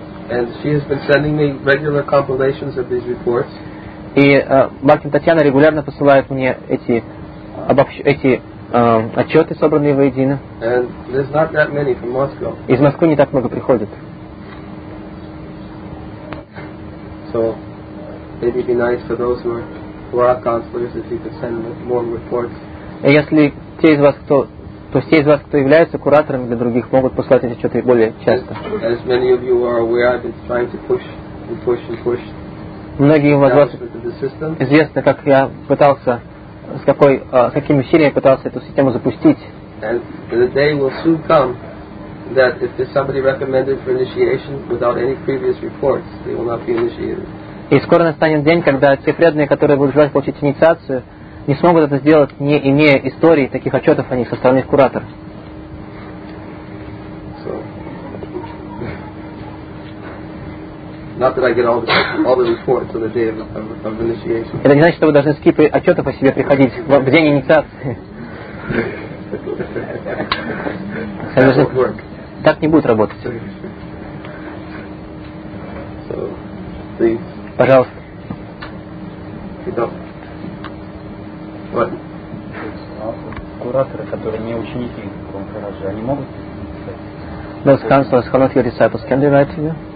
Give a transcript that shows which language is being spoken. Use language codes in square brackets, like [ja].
[en] And she has been sending me regular compilations of these reports. [ru] И Бхактин Татьяна регулярно посылает мне эти отчеты, собранные воедино. [en] And there's not that many from Moscow. [ru] Из Москвы не так много приходит. [en] So maybe it'd be nice for those who are counselors if you could send more reports. [ru] И если те из вас, кто, то есть те из вас, кто является кураторами для других, могут послать эти отчеты более часто. [en] As many of you are aware, I've been trying to push and push and push. [ru] Многие из вас известны, как я пытался. С какой, с какими усилиями пытался эту систему запустить. [en] And the day will soon come that if there's somebody recommended for initiation without any previous reports, they will not be initiated. [ru] И скоро настанет день, когда те преданные, которые будут желать получить инициацию, не смогут это сделать, не имея истории таких отчетов о них со стороны куратора. [en] So, not that I get all the reports on the day of initiation. [ru] Это не значит, что вы должны скипы отчетов о себе приходить в день инициации. [en] That won't work. [ru] Так не будет работать. [en] So, please. [ru] Пожалуйста. [en] You don't. What? [ru] Кураторы, которые не ученики Кумхараджи, они могут писать? [en] Those counselors who are not your disciples, can they write to you?